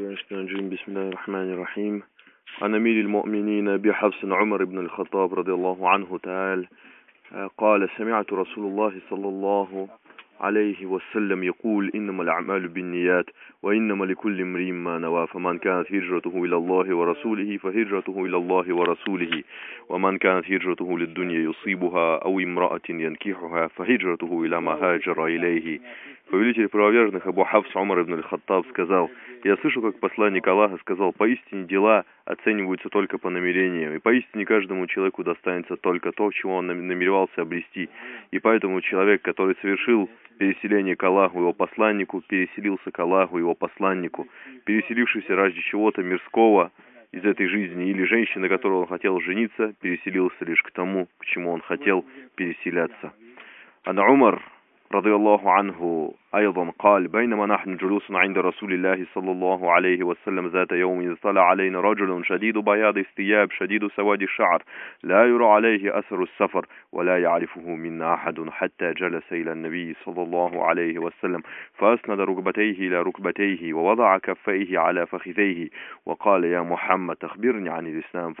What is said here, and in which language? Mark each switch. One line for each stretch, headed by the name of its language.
Arabic: نستعين بسم الله الرحمن الرحيم. عن أمير المؤمنين أبي حفص عمر بن الخطاب رضي الله عنه تعالى قال: سمعت رسول الله صلى الله عليه وسلم يقول: إنما الأعمال بالنيات، وإنما لكل امرئ ما نوى، فمن كانت هجرته إلى الله ورسوله فهجرته إلى الله ورسوله، ومن كانت هجرته للدنيا يصيبها أو امرأة ينكحها فهجرته إلى ما هاجر إليه.
Russian: Повелитель правоверных Абу Хафс Умар ибн аль-Хаттаб сказал: «Я слышу, как посланник Аллаха сказал: поистине дела оцениваются только по намерениям, и поистине каждому человеку достанется только то, чего он намеревался обрести. И поэтому человек, который совершил переселение к Аллаху его посланнику, переселился к Аллаху его посланнику, переселившийся ради чего-то мирского из этой жизни, или женщина, которой он хотел жениться, переселился лишь к тому, к чему он хотел переселяться».
Arabic: Ана Умар رضي الله عنه أيضا قال: بينما نحن جلوس عند رسول الله صلى الله عليه وسلم ذات يوم، اطلع علينا رجل شديد بياض الثياب شديد سواد الشعر، لا يرى عليه أثر السفر ولا يعرفه منا أحد، حتى جلس إلى النبي صلى الله عليه وسلم فأسند ركبتيه إلى ركبتيه ووضع كفيه على فخذيه وقال: يا محمد أخبرني عن الإسلام.